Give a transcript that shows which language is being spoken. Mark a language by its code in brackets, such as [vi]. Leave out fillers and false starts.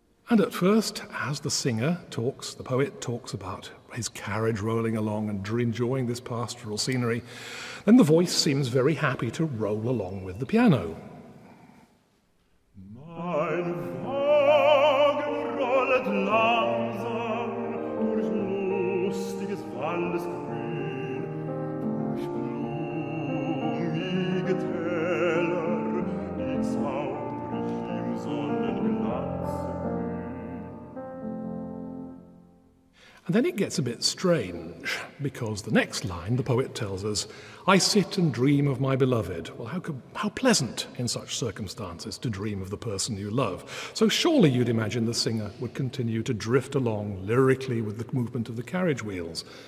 [en] And at first, as the singer talks, the poet talks about his carriage rolling along and enjoying this pastoral scenery, then the voice seems very happy to roll along with the piano. [de] Mein Wagen rollet langsam durch lustiges Waldesgrün, durch blumige Täler, die zauberig im Sonnenglanz. [en] And then it gets a bit strange, because the next line, the poet tells us, I sit and dream of my beloved. Well, how pleasant in such circumstances to dream of the person you love. So surely you'd imagine the singer would continue to drift along lyrically with the movement of the carriage wheels.